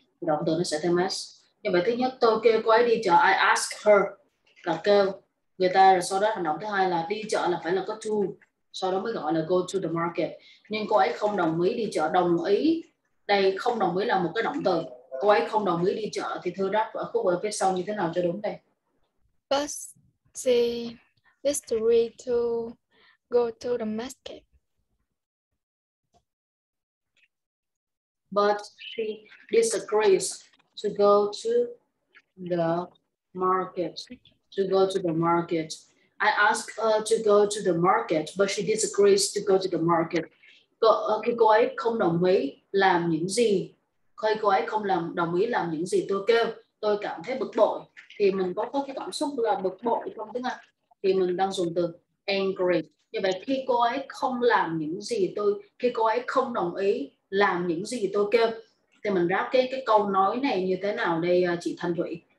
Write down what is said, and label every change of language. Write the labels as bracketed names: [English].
[Vietnamese] Động từ nó sẽ thêm s. Như vậy thứ nhất tôi kêu cô ấy đi chợ. [English] I ask her. [Vietnamese] Là kêu. Người ta rồi sau đó hành động thứ hai là đi chợ là phải là có to. Sau đó mới gọi là [English] go to the market. [Vietnamese] Nhưng cô ấy không đồng ý đi chợ. Đồng ý. Đây không đồng ý là một cái động từ. Cô ấy không đồng ý đi chợ thì thưa đáp ở khúc ở phía sau như thế nào cho đúng đây? [English] But she disagree to go to the market. But she disagrees to go to the market. To go to the market. I ask her to go to the market, but she disagrees to go to the market. [Vietnamese] Cô ấy không đồng ý làm những gì. Khi cô ấy không làm đồng ý làm những gì tôi kêu, tôi cảm thấy bực bội. Thì mình có cái cảm xúc là bực bội trong tiếng Anh. Thì mình đang dùng từ angry. Như vậy khi cô ấy không làm những gì tôi, khi cô ấy không đồng ý làm những gì tôi kêu, thì mình ráp cái câu nói này như thế nào đây chị Thanh Thủy?